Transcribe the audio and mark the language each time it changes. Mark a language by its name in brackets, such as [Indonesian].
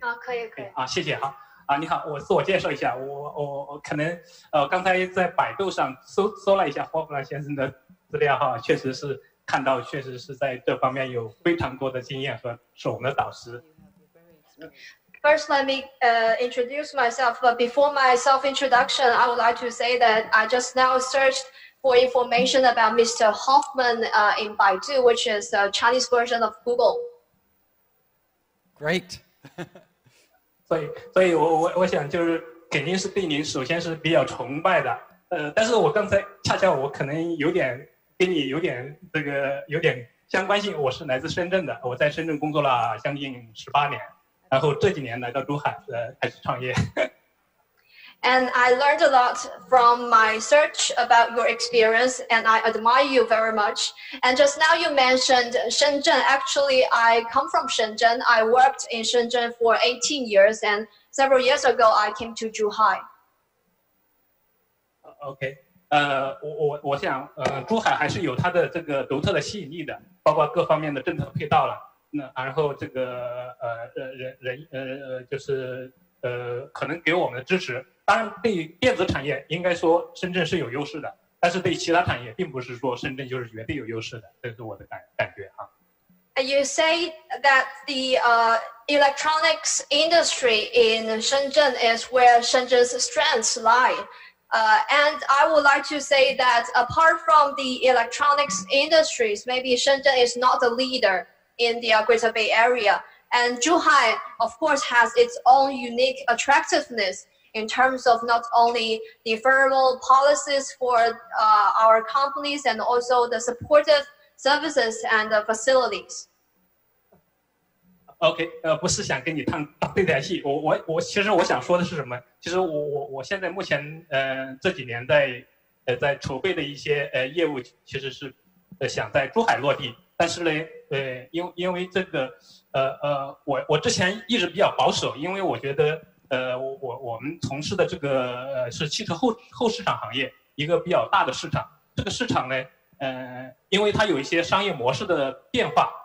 [Chinese] 啊，可以可以啊，谢谢哈啊，你好，我自我介绍一下，我可能刚才在百度上搜了一下霍夫曼先生的资料哈，确实是看到确实是在这方面有非常多的经验和是我们的导师。 [English] First, let me introduce myself. But before my self-introduction, I would like to say that I just now searched. For information about Mr. Hoffman in Baidu, which is the Chinese version of Google. Great. [Chinese] 所以我想就是肯定是对您首先是比较崇拜的。但是我刚才恰恰我可能有点跟你有点这个有点相关性。我是来自深圳的，我在深圳工作了将近18年，然后这几年来到珠海开始创业。 [English] And I learned a lot from my search about your experience, and I admire you very much. And just now you mentioned Shenzhen. Actually, I come from Shenzhen. I worked in Shenzhen for 18 years, and several years ago, I came to Zhuhai. Okay. [Chinese] 我想，珠海还是有它的这个独特的吸引力的，包括各方面的政策配套了。那然后这个就是可能给我们的支持。当然，对于电子产业，应该说深圳是有优势的。但是对其他产业并不是说深圳就是绝对有优势的，这是我的感觉啊。 [English] You say that the electronics industry in Shenzhen is where Shenzhen's strengths lie. And I would like to say that apart from the electronics industries, maybe Shenzhen is not the leader in the Greater Bay Area. And Zhuhai, of course, has its own unique attractiveness in terms of not only the favorable policies for our companies and also the supportive services and facilities. [Chinese] Okay, 不是想跟你唱对台戏，我其实我想说的是什么？其实我现在目前这几年在筹备的一些业务，其实是想在珠海落地，但是呢，因为这个我之前一直比较保守，因为我觉得我们从事的这个是汽车后市场行业，一个比较大的市场，这个市场呢，因为它有一些商业模式的变化。